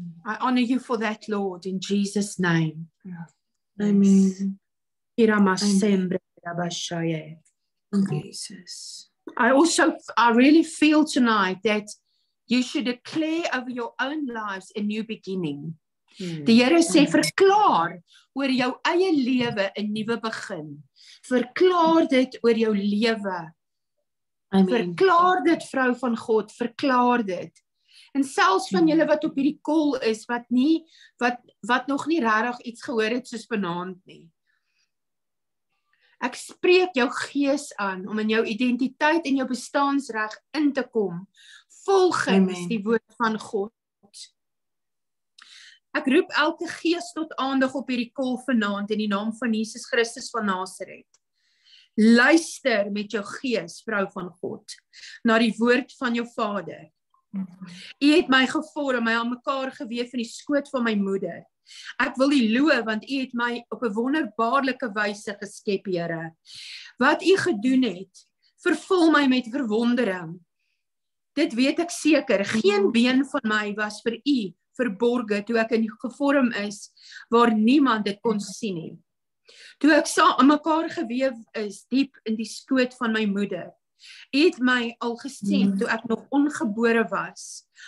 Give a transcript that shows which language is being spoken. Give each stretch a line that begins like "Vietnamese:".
English: I honor you for that, Lord, in Jesus' name. Yeah. Amen. Jesus. I really feel tonight that you should declare over your own lives a new beginning.
Afrikaans: Die Here sê, verklaar oor jou eie lewe 'n nuwe begin. Verklaar dit oor jou lewe. Amen. Verklaar dit, vrou van God, verklaar dit. En selfs van julle wat op hierdie call is, wat nog nie regtig iets gehoor het soos benaamd nie. Ek spreek jou gees aan om in jou identiteit en jou bestaansreg in te kom, volgens Amen. Die woord van God. Ek roep elke gees tot aandag op hierdie call vanaand in die naam van Jesus Christus van Nazareth. Luister met jou gees, vrou van God, na die woord van jou vader. U het my gevorm en my aan mekaar gewewe van die skoot van my moeder. Ek wil u loof want u het my op 'n wonderbaarlike wyse geskep, Here. Wat u gedoen het, vervul my met verwondering. Dit weet ek seker, geen been van my was vir u verborge toe ek in gevorm is waar niemand dit kon sien nie. Toe ek saam aan mekaar gewewe is diep in die skoot van my moeder. Het my al gesien toe ek nog ongebore was.